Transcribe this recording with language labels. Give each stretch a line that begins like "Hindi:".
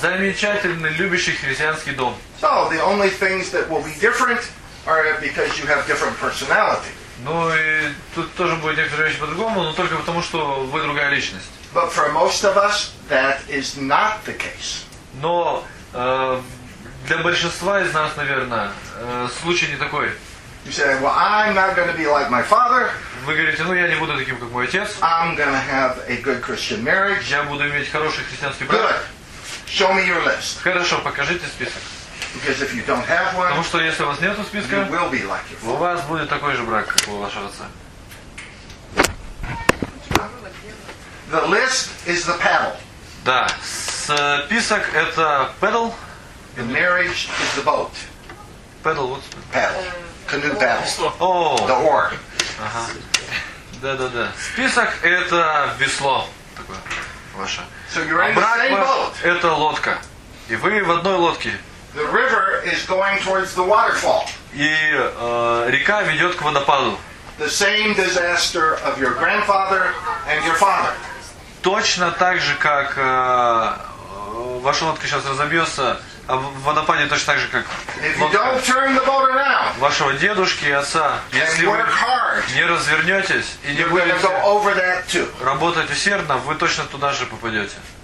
Russian: Замечательный, любящий христианский дом.
English: So the only things that will be different are because you have different personality.
Russian: Ну и тут тоже будет некоторые вещи по-другому, но только потому, что вы другая личность.
English: But for most of us, that is not the case.
Russian: Но для большинства из нас, наверное, случай не такой.
English: You say, well, I'm not going to be like my father.
Russian: Вы говорите, ну я не буду таким, как мой отец.
English: I'm going to have a good Christian marriage.
Russian: Я буду иметь хороший христианский брак.
English: Good. Show me your list.
Russian: Хорошо, покажите список.
English: Because if you don't have one,
Russian: потому что если у вас нету списка,
English: you will be like your father.
Russian: У вас будет такой же брак, как у вашего отца.
English: The list is the paddle.
Russian: Да, список это paddle.
English: The marriage is the boat.
Russian: Paddle, вот.
English: Paddle. Canoe paddle. Oh. The oar.
Russian: Ага. Да-да-да. Список — это весло такое ваше.
English: So you're in the same boat.
Russian: А брак ваш — это лодка. И вы в одной лодке.
English: The river is going towards the waterfall.
Russian: И река ведет к водопаду.
English: The same disaster of your grandfather and your father.
Russian: Точно так же, как ваша лодка сейчас разобьется, а в водопаде точно так же, как лодка вашего дедушки и отца. Если вы не развернетесь и не будете работать усердно, вы точно туда же попадете.